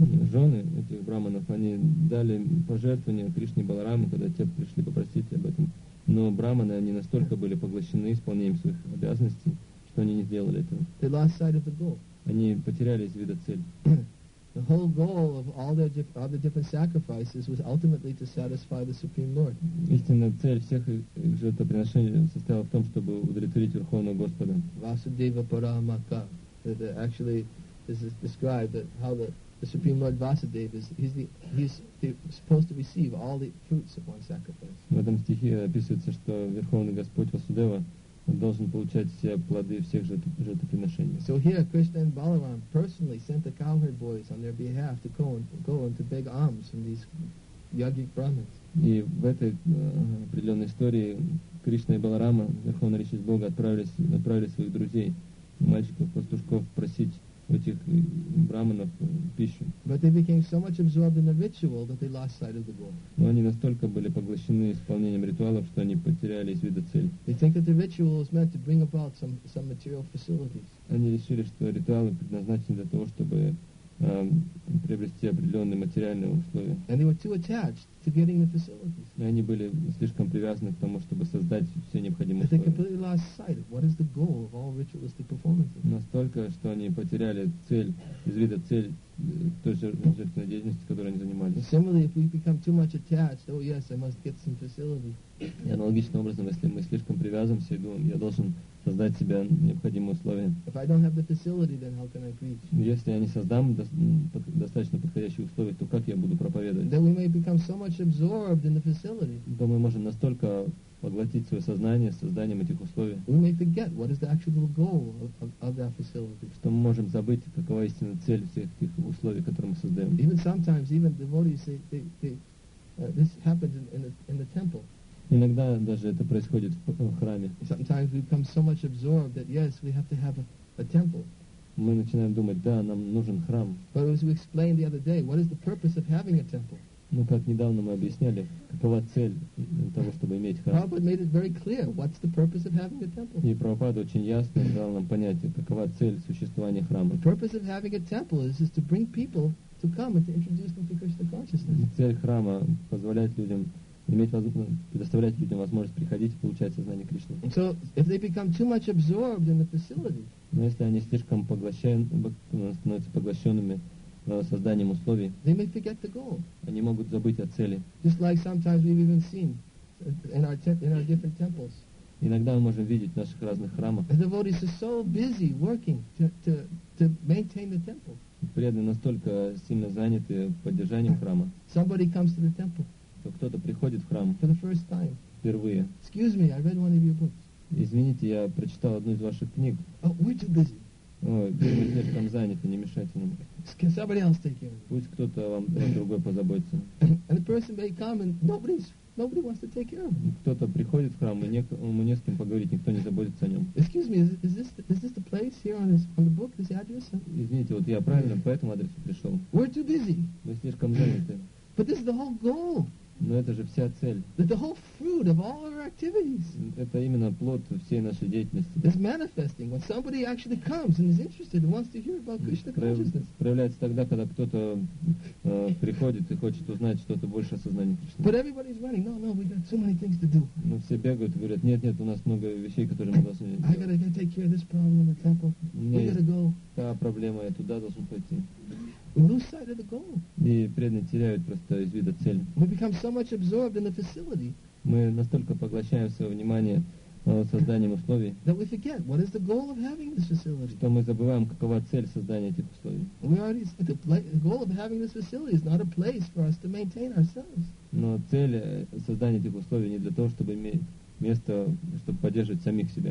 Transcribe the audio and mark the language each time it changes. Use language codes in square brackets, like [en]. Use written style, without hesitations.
[ru] Жены этих брахманов, они дали пожертвования Кришне и Балараме, когда те пришли попросить об этом. Но брахманы, они настолько были поглощены исполнением своих обязанностей, что они не сделали этого. [en] They lost sight of the goal. [ru] Они потеряли из вида цель. [en] The whole goal of all the different sacrifices was ultimately to satisfy the Supreme Lord. [ru] Истинная цель всех их жертвоприношений состояла в том, чтобы удовлетворить Верховного Господа. [sa] Vasudeva Paramaka. [en] Actually, this is described that how the Supreme Lord Vasudeva he's supposed to receive all the fruits of one sacrifice. [ru] В этом стихе описывается, что Верховный Господь Васудева должен получать все плоды всех жертвоприношений. [en] So here Krishna and Balaram personally sent the cowherd boys on their behalf to go and to beg alms from these yogic brahmins. [ru] И в этой определенной истории Кришна и Баларама, верховная личность Бога, отправили своих друзей, мальчиков-пастушков, просить у этих Рамана пищу. [en] But they became so much absorbed in the ritual that they lost sight of the goal. [ru] Но они настолько были поглощены исполнением ритуалов, что они потеряли из вида цель. [en] They think that the ritual is meant to bring about some material facilities. [ru] Они решили, что ритуалы предназначены для того, чтобы приобрести определенные материальные условия. [en] And they were too attached to getting the facilities. [ru] И они были слишком привязаны к тому, чтобы создать все необходимые условия. [en] They completely lost sight of what is the goal of all ritualistic performances. [ru] Настолько, что они потеряли цель, из вида цель той жертвенной деятельности, которой они занимались. [en] And similarly, if we become too much attached, oh yes, I must get some facility. [ru] И аналогичным образом, если мы слишком привязываемся и думаем, я должен создать себе необходимые условия. [en] If I don't have the facility, then how can I preach? [ru] Если я не создам достаточно подходящих условий, то как я буду проповедовать? [en] Then we may become so much absorbed in the facility. [ru] То мы можем настолько поглотить свое сознание созданием этих условий. [en] We may forget what is the actual goal of that facility. [ru] Что мы можем забыть, какова истинная цель всех этих условий, которые мы создаем. [en] Even sometimes, even devotees say, this happens in the temple. [ru] Иногда даже это происходит в храме. [en] Sometimes we become so much absorbed that yes, we have to have a temple. [ru] Мы начинаем думать, да, нам нужен храм. [en] But as we explained the other day, what is the purpose of having a temple? [ru] Ну, как недавно мы объясняли, какова цель того, чтобы иметь храм. [en] Prabhupada made it very clear, what's the purpose of having a temple? [ru] И Прабхупада очень ясно дал нам понятие, какова цель существования храма. [en] The purpose of having a temple is to bring people to come and to introduce them to Krishna consciousness. [ru] Цель храма позволять людям иметь возможность, предоставлять людям возможность приходить и получать сознание Кришны. [en] So, if they become too much absorbed in the facility, [ru] но если они слишком становятся поглощенными созданием условий, [en] they may forget the goal. [ru] Они могут забыть о цели. [en] Just like sometimes we've even seen in our different temples. [ru] Иногда мы можем видеть в наших разных храмах. [en] The devotees are so busy working to maintain the temple. [ru] Преданные настолько сильно заняты поддержанием храма. [en] Somebody comes to the temple. [ru] То кто-то приходит в храм [en] for the first time. [ru] Впервые. [en] Excuse me, I read one of your books. [ru] Извините, я прочитал одну из ваших книг. [en] Oh, we're too busy. [ru] Ой, мы слишком заняты, не мешайте нам. [en] Can somebody else take care of [ru] Пусть кто-то вам другой позаботится. [en] And the person may come and nobody wants to take care of it. [ru] Кто-то приходит в храм, и ему не с кем поговорить, никто не заботится о нем. [en] Excuse me, is this the place here on the book, this address? [ru] Извините, вот я правильно по этому адресу пришел. [en] We're too busy. [ru] Мы слишком заняты. [en] But this is the whole goal. [ru] Но это же вся цель. [en] The whole fruit of all our activities. [ru] Это именно плод всей нашей деятельности. [en] It's manifesting when somebody actually comes and is interested and wants to hear about Krishna consciousness. [ru] Проявляется тогда, когда кто-то приходит и хочет узнать что-то больше о сознании Кришны. [en] But everybody's running. No, we've got so many things to do. [ru] Но все бегают и говорят, нет, у нас много вещей, которые мы должны делать. [en] I gotta take care of this problem in the temple. We gotta go. [ru] Та проблема, я туда должен пойти. [en] We lose sight of the goal. [ru] И преданные теряют просто из вида цель. [en] We become so much absorbed in the facility. [ru] Мы настолько поглощаем свое внимание созданием условий. [en] That we forget what is the goal of having this facility. [ru] Что мы забываем, какова цель создания этих условий. [en] We already said the goal of having this facility is not a place for us to maintain ourselves. [ru] Но цель создания этих условий не для того, чтобы иметь место, чтобы поддерживать самих себя.